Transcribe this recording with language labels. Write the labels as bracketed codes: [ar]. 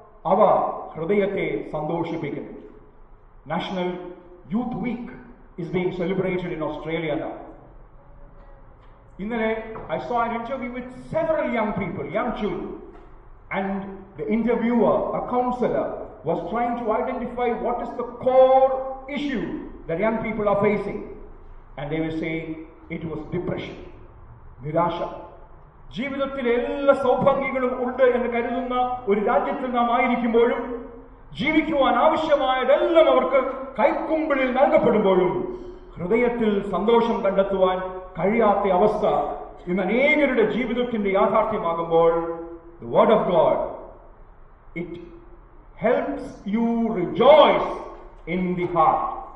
[ml] അവ ഹൃദയത്തെ സന്തോഷിപ്പിക്കുന്നു. [en] National youth week is being celebrated in Australia. ഇന്നലെ I saw an interview with several young people, young children, and the interviewer, a counsellor, was trying to identify what is the core issue the young people are facing. And they were saying it was depression, nirasha. [ml] ജീവിതത്തിൽ എല്ലാ സൗഭാഗ്യങ്ങളും ഉണ്ട് എന്ന് കരുതുന്ന ഒരു രാജ്യത്തിൽ നാം ആയിരിക്കുമ്പോഴും ജീവിക്കുവാൻ ആവശ്യമായതെല്ലാം അവർക്ക് കൈക്കുമ്പിളിൽ നൽകപ്പെടുമ്പോഴും ഹൃദയത്തിൽ സന്തോഷം കണ്ടെത്തുവാൻ കഴിയാത്ത അവസ്ഥ ഇന്ന് അനേകരുടെ ജീവിതത്തിന്റെ യാഥാർത്ഥ്യമാകുമ്പോൾ [en] The word of God it helps you rejoice in the heart.